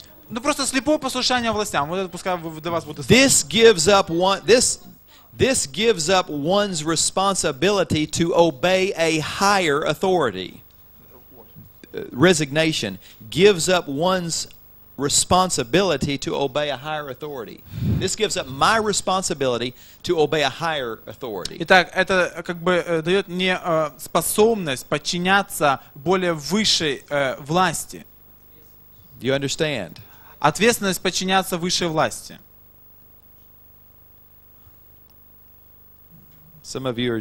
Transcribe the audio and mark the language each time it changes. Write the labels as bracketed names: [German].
[Russian] Ну, просто слепое послушание властям. Вот это пускай до вас будет. [English] This gives up one... This gives up one's responsibility to obey a higher authority. Resignation gives up one's responsibility to obey a higher authority. This gives up my responsibility to obey a higher authority. [Russian] Итак, это как бы дает мне способность подчиняться более высшей власти. [English] Do you understand? [Russian] Ответственность подчиняться высшей власти. [English] Some of you are.